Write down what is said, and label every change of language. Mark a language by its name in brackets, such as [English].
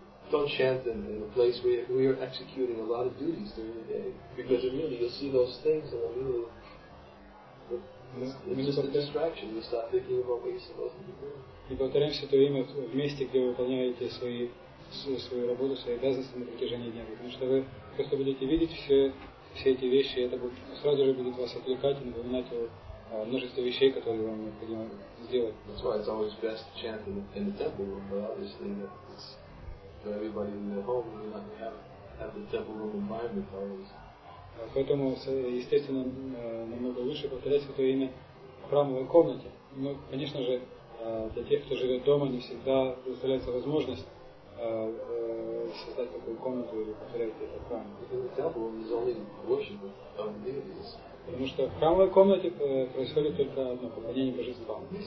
[English] don't chant in a place where you're executing a lot of duties during the day. Because really, you'll see those things and you'll... It's just a distraction. You start thinking about what you're supposed to be doing. [Russian] И повторяем все то время в месте, где вы выполняете свою работу, свои обязанности на протяжении дня. Потому что вы просто будете видеть все эти вещи, и это сразу же будет вас отвлекать и напоминать о множестве вещей, которые вам необходимо сделать. [English] That's why it's always best to chant in the temple room, but obviously it's for everybody in their home, we might have the temple room environment always. [Russian] Поэтому, естественно, намного лучше повторять это имя в храмовой комнате. Но, конечно же, для тех, кто живет дома, не всегда представляется возможность создать такую комнату или повторять это в храме. Потому что в храмовой комнате происходит только одно поклонение божествам.